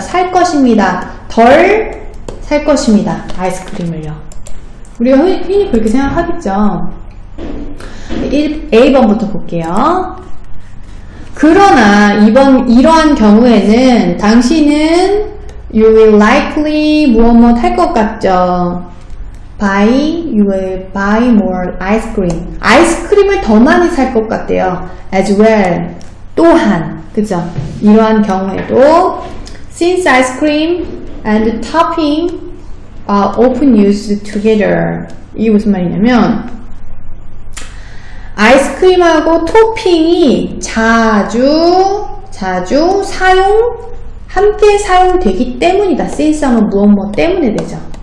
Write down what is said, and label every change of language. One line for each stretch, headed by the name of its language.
Korean: 살 것입니다. 덜 살 것입니다. 아이스크림을요. 우리가 흔히 그렇게 생각하겠죠. A번부터 볼게요. 그러나, 이러한 경우에는, 당신은
English: you will likely,
Korean: 무엇만 살 것 같죠.
English: You will buy more ice cream.
Korean: 아이스크림을 더 많이 살 것 같대요.
English: As well.
Korean: 또한. 그죠? 이러한 경우에도.
English: Since ice cream and topping are often used together.
Korean: 이게 무슨 말이냐면, 아이스크림하고 토핑이 자주 사용, 함께 사용되기 때문이다. Since 하면 무엇 뭐 때문에 되죠?